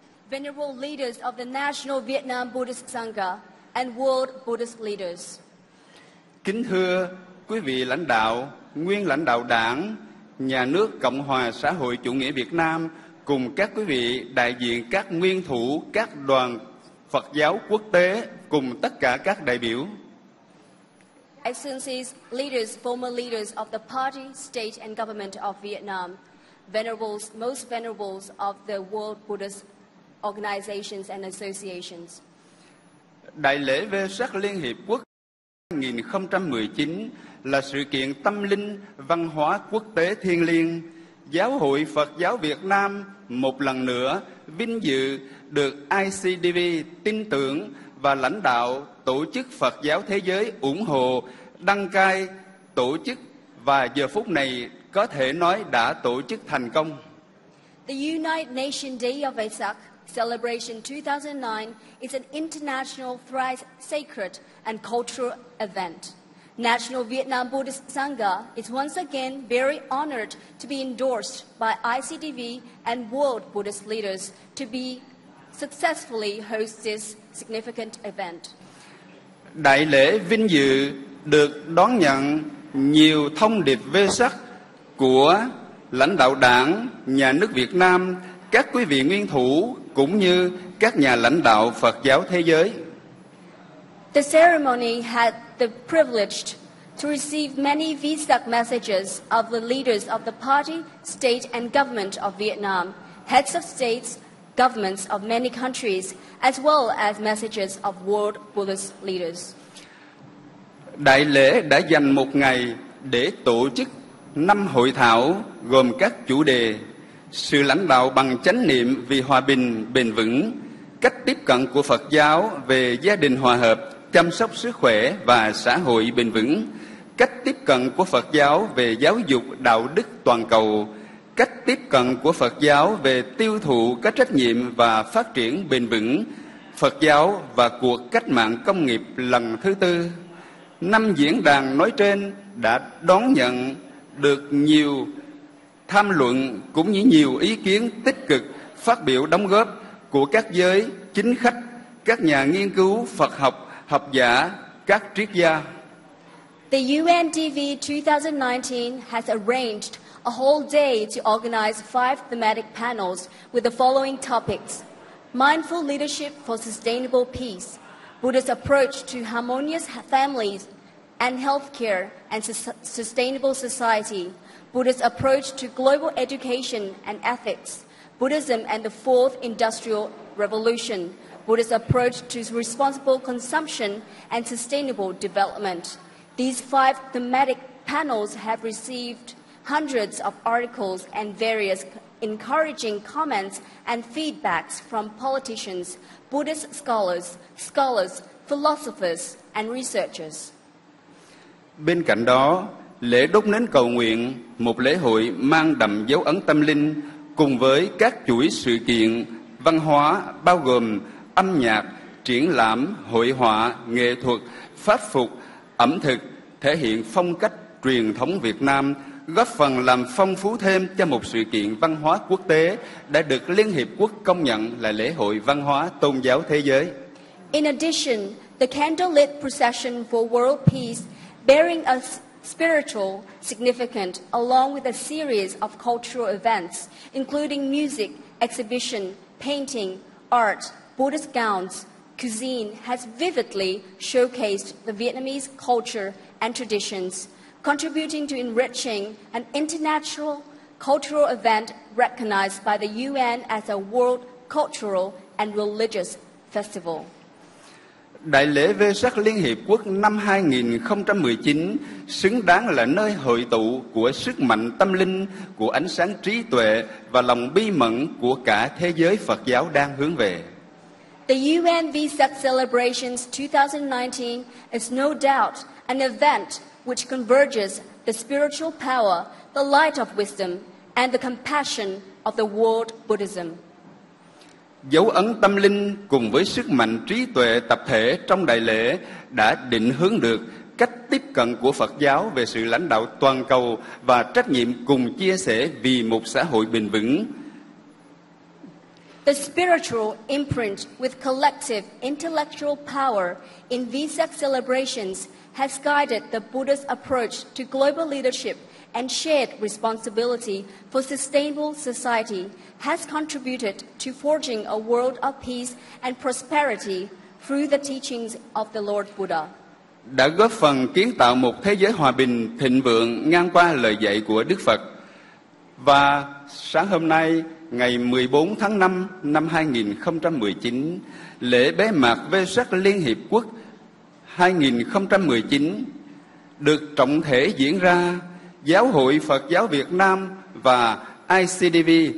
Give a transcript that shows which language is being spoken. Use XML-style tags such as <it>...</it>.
<en>Venerable leaders of the National Vietnam Buddhist Sangha and world Buddhist leaders.</en> <vi>Kính thưa quý vị lãnh đạo, nguyên lãnh đạo Đảng, Nhà nước Cộng hòa xã hội chủ nghĩa Việt Nam cùng các quý vị đại diện các nguyên thủ các đoàn Phật giáo quốc tế cùng tất cả các đại biểu.</vi> <en>Excellencies, leaders, former leaders of the party, state and government of Vietnam, venerables, most venerables of the world Buddhist organizations and associations.</en> <vi>Đại lễ Vesak Liên Hiệp Quốc 2019 là sự kiện tâm linh văn hóa quốc tế thiêng liêng. Giáo hội Phật giáo Việt Nam một lần nữa vinh dự được ICDV tin tưởng và lãnh đạo Tổ chức Phật giáo Thế giới ủng hộ, đăng cai, tổ chức và giờ phút này có thể nói đã tổ chức thành công.</vi> <en>The United Nations Day of Vesak Celebration 2009 is an international thrice sacred and cultural event. National Vietnam Buddhist Sangha is once again very honored to be endorsed by ICDV and world Buddhist leaders to be successfully host this significant event.</en> <vi>Đại lễ vinh dự được đón nhận nhiều thông điệp vê sắc của lãnh đạo Đảng, Nhà nước Việt Nam, các quý vị nguyên thủ cũng như các nhà lãnh đạo Phật giáo thế giới.</vi> <en>The ceremony had the privilege to receive many Vesak messages of the leaders of the party, state and government of Vietnam, heads of states, governments of many countries, as well as messages of world Buddhist leaders.</en> <vi>Đại lễ đã dành một ngày để tổ chức 5 hội thảo gồm các chủ đề: sự lãnh đạo bằng chánh niệm vì hòa bình bền vững, cách tiếp cận của Phật giáo về gia đình hòa hợp, chăm sóc sức khỏe và xã hội bền vững, cách tiếp cận của Phật giáo về giáo dục đạo đức toàn cầu, cách tiếp cận của Phật giáo về tiêu thụ có trách nhiệm và phát triển bền vững, Phật giáo và cuộc cách mạng công nghiệp lần thứ tư. Năm diễn đàn nói trên đã đón nhận được nhiều tham luận cũng như nhiều ý kiến tích cực phát biểu đóng góp của các giới chính khách, các nhà nghiên cứu Phật học, học giả, các triết gia.</vi> <en>The UNDV 2019 has arranged a whole day to organize 5 thematic panels with the following topics: mindful leadership for sustainable peace, Buddha's approach to harmonious families and healthcare and sustainable society, Buddha's approach to global education and ethics, Buddhism and the fourth industrial revolution, Buddha's approach to responsible consumption and sustainable development. These 5 thematic panels have received hundreds of articles and various encouraging comments and feedbacks from politicians, Buddhist scholars, scholars, philosophers and researchers.</en> <vi>Bên cạnh đó, lễ đốt nến cầu nguyện, một lễ hội mang đậm dấu ấn tâm linh, cùng với các chuỗi sự kiện văn hóa bao gồm âm nhạc, triển lãm, hội họa, nghệ thuật, pháp phục, ẩm thực thể hiện phong cách truyền thống Việt Nam, góp phần làm phong phú thêm cho một sự kiện văn hóa quốc tế đã được Liên Hiệp Quốc công nhận là lễ hội văn hóa tôn giáo thế giới.</vi> <en>In addition, the candlelit procession for world peace bearing a spiritual significance along with a series of cultural events including music, exhibition, painting, art, Buddhist gowns, cuisine has vividly showcased the Vietnamese culture and traditions, contributing to enriching an international cultural event recognized by the UN as a World Cultural and Religious Festival.</en> <vi>Đại lễ Vesak Liên Hiệp Quốc năm 2019 xứng đáng là nơi hội tụ của sức mạnh tâm linh, của ánh sáng trí tuệ và lòng bi mẫn của cả thế giới Phật giáo đang hướng về.</vi> <en>The UN Vesak Celebrations 2019 is no doubt an event which converges the spiritual power, the light of wisdom, and the compassion of the world Buddhism.</en> <vi>Dấu ấn tâm linh cùng với sức mạnh trí tuệ tập thể trong đại lễ đã định hướng được cách tiếp cận của Phật giáo về sự lãnh đạo toàn cầu và trách nhiệm cùng chia sẻ vì một xã hội bền vững.</vi> <en>The spiritual imprint with collective intellectual power in Vesak celebrations has guided the Buddha's approach to global leadership and shared responsibility for sustainable society, has contributed to forging a world of peace and prosperity through the teachings of the Lord Buddha.</en> <vi>Đã góp phần kiến tạo một thế giới hòa bình, thịnh vượng ngang qua lời dạy của Đức Phật. Và sáng hôm nay, ngày 14 tháng 5 năm 2019, lễ bế mạc Vesak Liên Hiệp Quốc 2019 được trọng thể diễn ra, Giáo hội Phật giáo Việt Nam và ICDV</vi>